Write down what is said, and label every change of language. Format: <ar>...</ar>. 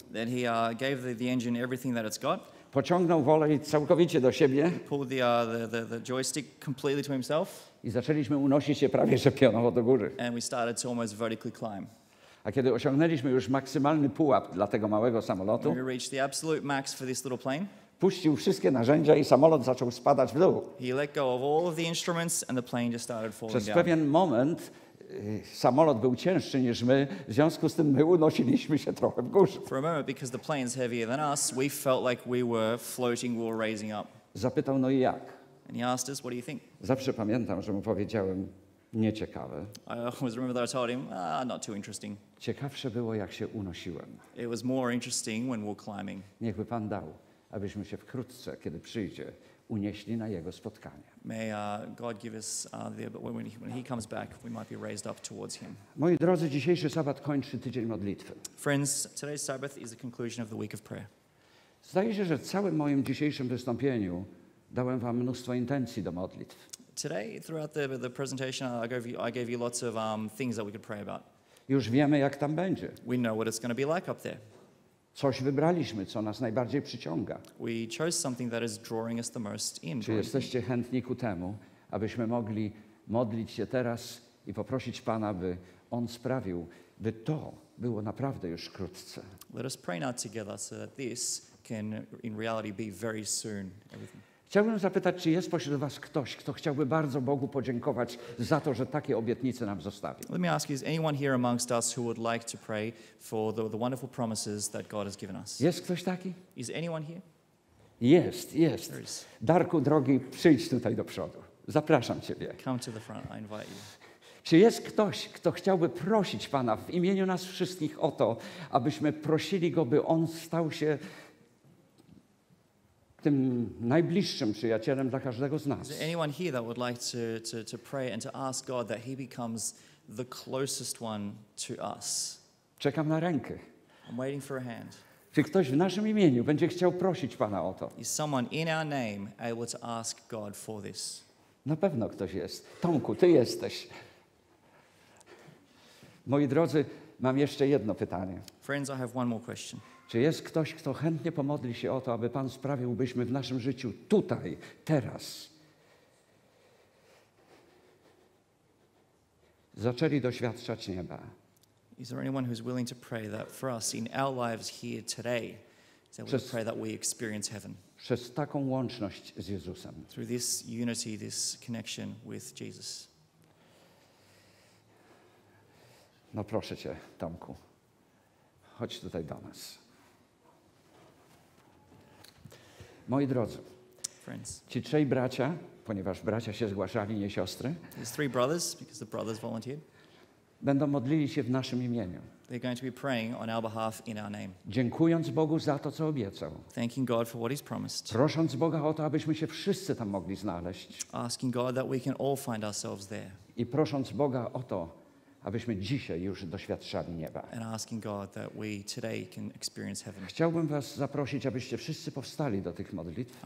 <en>Then he gave the engine everything that it's got.</en> <pl>Pociągnął wolę całkowicie do siebie.</pl> <en>He pulled the joystick completely to himself.</en> <pl>I zaczęliśmy unosić się prawie że pionowo do góry.</pl> <en>And we started to almost vertically climb.</en> <pl>A kiedy osiągnęliśmy już maksymalny pułap dla tego małego samolotu,</pl> <en>we reached the absolute max for this little plane,</en> <pl>puścił wszystkie narzędzia i samolot zaczął spadać w dół.</pl> <en>He let go of all of the instruments and the plane just started falling</en> <pl>down. Przez pewien moment samolot był cięższy niż my, w związku z tym my unosiliśmy się trochę w górze.</pl> <en>For a moment, because the plane's heavier than us, we felt like we were floating, we were raising up.</en> <pl>Zapytał, no i jak?</pl> <en>And he asked us, what do you think?</en> <pl>Zawsze pamiętam, że mu powiedziałem, nieciekawe.</pl> <en>I always remember that I told him, not too interesting.</en> <pl>Ciekawsze było, jak się unosiłem.</pl> <en>It was more interesting when we were climbing.</en> <pl>Niechby Pan dał, abyśmy się wkrótce, kiedy przyjdzie, unieśli na jego spotkanie.</pl> <en>May God give us when he comes back, we might be raised up towards him.</en> <pl>Moi drodzy, dzisiejszy sabat kończy tydzień modlitwy.</pl> <en>Friends, today's Sabbath is the conclusion of the week of prayer.</en> <pl>Zdaje się, że w całym moim dzisiejszym wystąpieniu dałem wam mnóstwo intencji do modlitw.</pl> <en>Today, throughout the presentation, I gave you lots of things that we could pray about.</en> <pl>Już wiemy, jak tam będzie.</pl> <en>We know what it's going to be like up there.</en> <pl>Coś wybraliśmy, co nas najbardziej przyciąga.</pl> <en>We chose something that is drawing us the most in.</en> <pl>Czy jesteście chętni ku temu, abyśmy mogli modlić się teraz i poprosić Pana, by On sprawił, by to było naprawdę już wkrótce.</pl> <en>Let us pray now together so that this can in reality be very soon. Everything.</en> <pl>Chciałbym zapytać, czy jest pośród was ktoś, kto chciałby bardzo Bogu podziękować za to, że takie obietnice nam zostawił.</pl> <en>Let me ask you, is anyone here amongst us who would like to pray for the wonderful promises that God has given us?</en> <pl>Jest ktoś taki?</pl> <en>Is anyone here?</en> <pl>Jest, jest. Darku drogi, przyjdź tutaj do przodu. Zapraszam ciebie.</pl> <en>Come to the front, I invite you.</en> <pl>Czy jest ktoś, kto chciałby prosić Pana w imieniu nas wszystkich o to, abyśmy prosili Go, by On stał się tym najbliższym przyjacielem dla każdego z nas?</pl> <en>Is anyone here that would like to pray and to ask God that He becomes the closest one to us?</en> <pl>Czekam na rękę.</pl> <en>I'm waiting for a hand.</en> <pl>Czy ktoś w naszym imieniu będzie chciał prosić Pana o to?</pl> <en>Is someone in our name able to ask God for this?</en> <pl>Na pewno ktoś jest. Tomku, ty jesteś. Moi drodzy, mam jeszcze jedno pytanie.</pl> <en>Friends, I have one more question.</en> <pl>Czy jest ktoś, kto chętnie pomodli się o to, aby Pan sprawił, byśmy w naszym życiu tutaj, teraz, zaczęli doświadczać nieba?</pl> <en>Is there anyone who's willing to pray that for us in our lives here today, that we pray that we experience heaven?</en> <pl>Przez taką łączność z Jezusem.</pl> <en>Through this unity, this connection with Jesus.</en> <pl>No proszę cię, Tomku, chodź tutaj do nas. Moi drodzy,</pl> <en>friends,</en> <pl>ci trzej bracia, ponieważ bracia się zgłaszali, nie siostry,</pl> <en>these three brothers, because the brothers volunteered,</en> <pl>będą modlili się w naszym imieniu.</pl> <en>They're going to be praying on our behalf in our name.</en> <pl>Dziękując Bogu za to, co obiecał.</pl> <en>Thanking God for what He's promised.</en> <pl>Prosząc Boga o to, abyśmy się wszyscy tam mogli znaleźć.</pl> <en>Asking God that we can all find ourselves there.</en> <pl>I prosząc Boga o to, abyśmy dzisiaj już doświadczali nieba.</pl> <en>And asking God that we today can experience heaven.</en> <pl>Chciałbym was zaprosić, abyście wszyscy powstali do tych modlitw.</pl>